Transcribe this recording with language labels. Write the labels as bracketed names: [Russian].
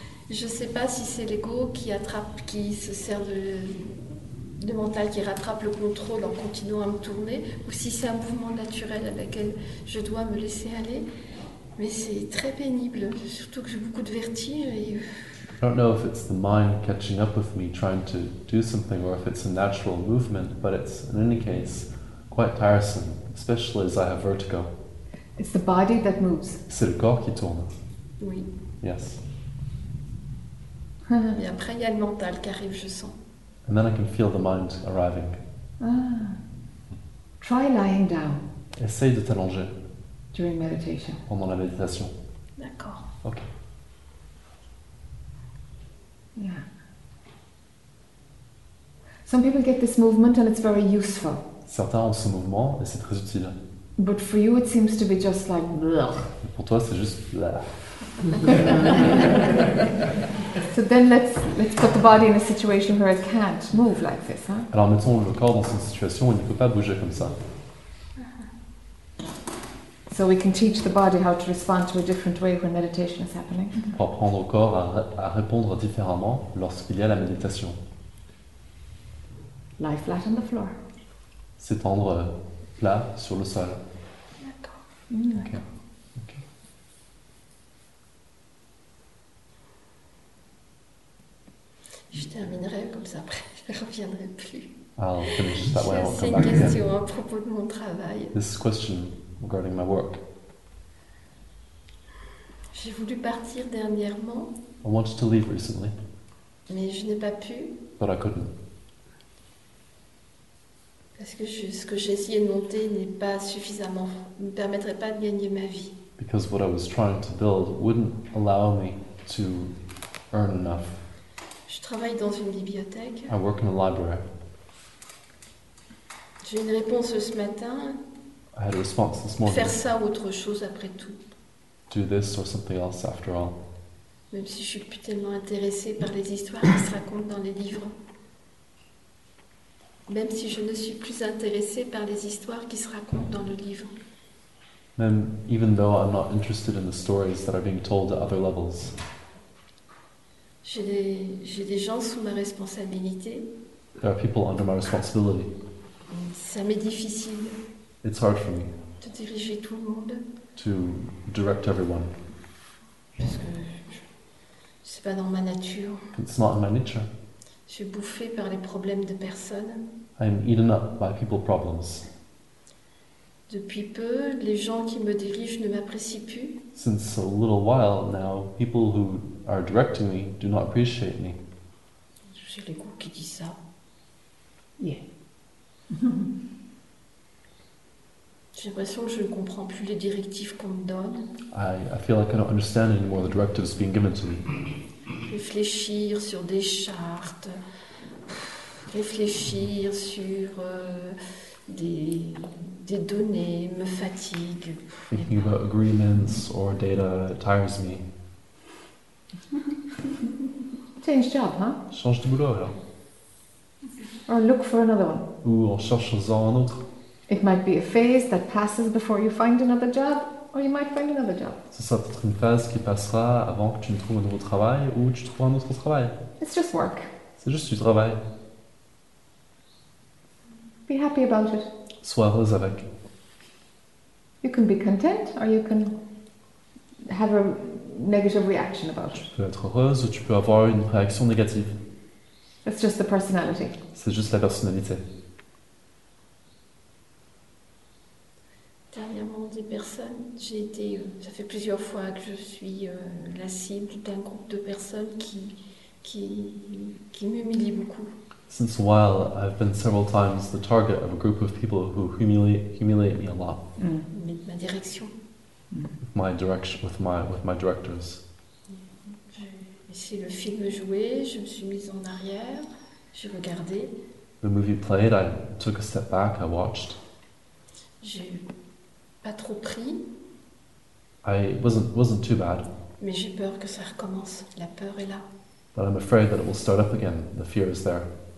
[French] Je ne sais pas si c'est l'ego qui se sert de mental qui rattrape le contrôle en continuant à me tourner, ou si c'est un mouvement naturel à laquelle je dois me laisser aller, mais c'est très pénible, surtout que j'ai beaucoup de vertige. Et... [English] I don't know if it's the mind catching up with me trying to do something or if it's a natural movement, but it's in any case quite tiresome, especially as I have vertigo. It's the body that moves. [French] C'est le corps qui tourne. Oui. [English] Yes. [French] Et après il y a le mental qui arrive, je sens. [English] And then I can feel the mind arriving. Ah. Try lying down. [French] Essaye de t'allonger. [English] During meditation. [French] Pendant la méditation. D'accord. [English] Ok. Yeah. Some people get this movement and it's very useful. [French] Certains ont ce mouvement et c'est très utile. [English] But for you it seems to be just like bleh. [French] Pour toi c'est juste bleh. [English] So then let's put the body in a situation where it can't move like this, huh? [French] Alors mettons le corps dans une situation où il ne peut pas bouger comme ça. [English] So we can teach the body how to respond to a different way when meditation is happening. [French] Pour apprendre au corps à répondre différemment lorsqu'il y a la méditation. [English] Lie flat on the floor. [French] S'étendre plat sur le sol. D'accord. [English] Okay. [French] Je terminerai comme ça, après je ne reviendrai plus. [English] I'll finish that way. [French] C'est une question à propos de mon travail. [English] This question regarding my work. [French] J'ai voulu partir dernièrement. [English] I wanted to leave recently. [French] Mais je n'ai pas pu. [English] But I couldn't. [French] Parce que ce que j'ai essayé de monter n'est pas suffisamment, ne me permettrait pas de gagner ma vie. [English] Because what I was trying to build wouldn't allow me to earn enough. [French] Je travaille dans une bibliothèque. [English] I work in a library. [French] J'ai une réponse ce matin. [English] I had a response this morning. [French] Faire ça ou autre chose après tout. [English] Do this or something else after all. [French] Même si je suis plus tellement intéressée par les histoires qui se racontent dans les livres. Même si je ne suis plus intéressée par les histoires qui se racontent dans le livre. [English] Même, even though I'm not interested in the stories that are being told at other levels. [French] J'ai des gens sous ma responsabilité. [English] There are people under my responsibility. [French] Ça m'est difficile. [English] It's hard for me. [French] De diriger tout le monde. [English] To direct everyone. [French] Parce que c'est pas dans ma nature. [English] It's not in my nature. [French] Je suis bouffé par les problèmes de personnes. [English] I'm eaten up by people's problems. [French] Depuis peu, les gens qui me dirigent ne m'apprécient plus. [English] Since a little while now, people who are directing me do not appreciate me. [French] J'ai l'ego qui dit ça. [English] Yeah. [French] J'ai l'impression que je ne comprends plus les directives qu'on me donne. [English] I feel like I don't understand anymore the directives being given to me. [French] Réfléchir sur des chartes. Réfléchir sur des données me fatigue. [English] Thinking about agreements or data tires me. Change job, huh? [French] Change de boulot, alors. [English] Or look for another one. [French] Ou on cherche un autre. [English] It might be a phase that passes before you find another job, or you might find another job. [French] Ce sera peut-être une phase qui passera avant que tu ne trouves un nouveau travail ou tu trouves un autre travail. [English] It's just work. [French] C'est juste du travail. [English] Be happy about it. [French] Sois heureuse avec. [English] You can be content, or you can have a negative reaction about it. [French] Tu peux être heureuse ou tu peux avoir une réaction négative. [English] It's just the personality. [French] C'est juste la personnalité. Dernièrement, des personnes, j'ai été, ça fait plusieurs fois que je suis la cible d'un groupe de personnes qui m'humilient beaucoup. [English] Since a while, I've been several times the target of a group of people who humiliate me a lot. [French] Mm. Ma direction. [English] Mm. My direction, with my directors. [French] J'ai essayé le film jouer, je me suis mise en arrière, j'ai regardé. [English] The movie played, I took a step back, I watched. [French] J'ai pas trop pris. [English] I wasn't too bad. [French] Mais j'ai peur que ça recommence. La peur est là. [English] But I'm afraid that it will start up again. The fear is there.